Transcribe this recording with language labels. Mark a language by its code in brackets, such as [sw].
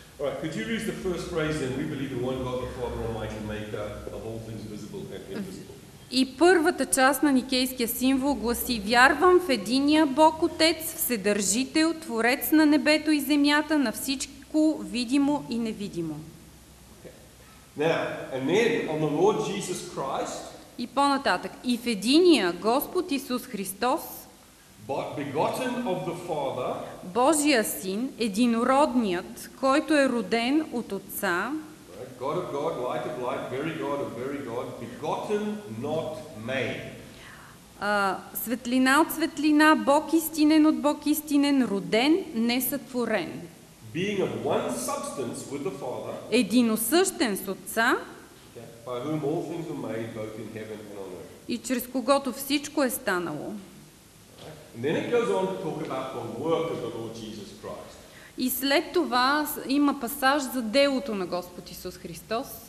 [en] All right, could you read the first phrase then? We believe in one God, the Father Almighty, maker of all things visible and invisible. [bg] И първата част на никейския символ гласи: вярвам в единия Бог Отец, Вседържител, Творец на небето и земята, на всичко видимо и невидимо. [en] Now, and then on the Lord Jesus Christ. [bg] И по-нататък, и в единия Господ Исус Христос. [en] But begotten of the Father. [bg] Божия син, единородният, който е роден от Отца. [en] God of God, light of light, very God of very God, begotten, not made. [bg] Светлина от светлина, Бог истинен от Бог истинен, роден, не сътворен. [en] Being of one substance with the Father. [bg] Единосъщен с Отца. [en] By whom all things were made, both in heaven and on earth. [bg] И чрез когото всичко е станало. [en] And then it goes on to talk about the work of the Lord Jesus Christ. [bg] И след това има пасаж за делото на Господ Исус Христос.